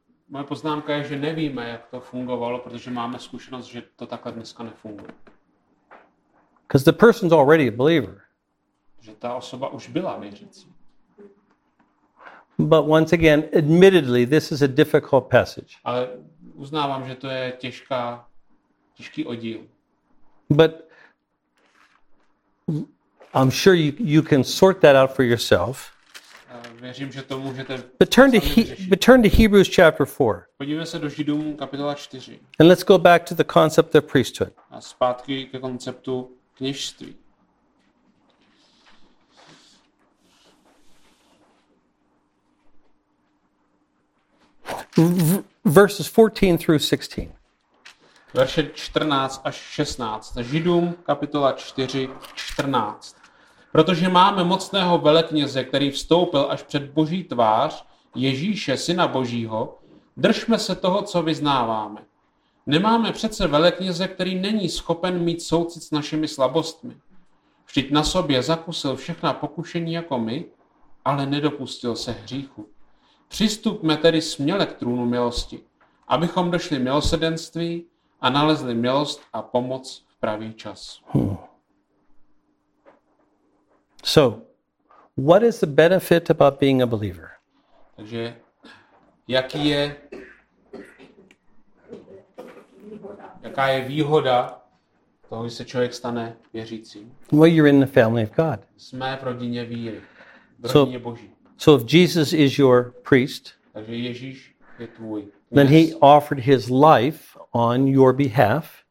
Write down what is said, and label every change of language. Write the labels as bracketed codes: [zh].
[cs] Moje poznámka je, že nevíme, jak to fungovalo, protože máme zkušenost, že to takhle dneska nefunguje. [en] Because the person's already a believer. [cs] Že ta osoba už byla věřící. [en] But once again, admittedly, this is a difficult passage. [cs] Ale uznávám, že to je těžký oddíl. [en] But I'm sure you can sort that out for yourself. [cs] Věřím, že to můžete. [en] But turn to Hebrews chapter 4. [cs] Podívejme se do Židům kapitola 4. [en] And let's go back to the concept of priesthood. [cs] A zpátky ke konceptu kněžství. [en] Verses 14 through 16. [cs] Verše 14 až 16. Židům kapitola 4, 14. Protože máme mocného velekněze, který vstoupil až před Boží tvář, Ježíše, Syna Božího, držme se toho, co vyznáváme. Nemáme přece velekněze, který není schopen mít soucit s našimi slabostmi. Vždyť na sobě zakusil všechna pokušení jako my, ale nedopustil se hříchu. Přistupme tedy směle k trůnu milosti, abychom došli milosrdenství a nalezli milost a pomoc v pravý čas. [en] So, what is the benefit about being a believer? [cs] Takže jaký je jaká je výhoda toho, že se člověk stane věřícím? [en] Well, you're in the family of God. [cs] Jsme v rodině víry, v rodině Boží. [en] So if Jesus is your priest, [cs] takže Ježíš je tvůj. [en] Then he offered his life on your behalf.